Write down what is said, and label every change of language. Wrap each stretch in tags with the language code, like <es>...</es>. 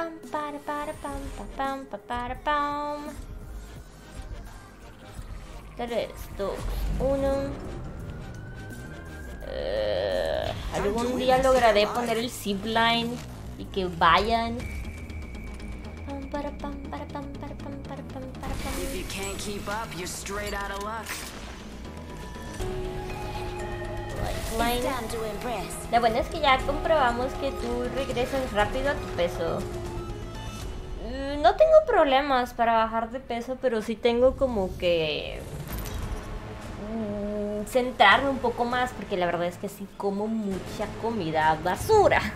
<es>Pam, pam, pam. Tres, dos, uno. Algún día lograré poner el zipline y que vayan.</es> <en>If you can't keep up, you're straight out of luck. Lifeline.</en> <es>La buena es que ya comprobamos que tú regresas rápido a tu peso. No tengo problemas para bajar de peso, pero sí tengo como que centrarme un poco más, porque la verdad es que sí como mucha comida basura.</es>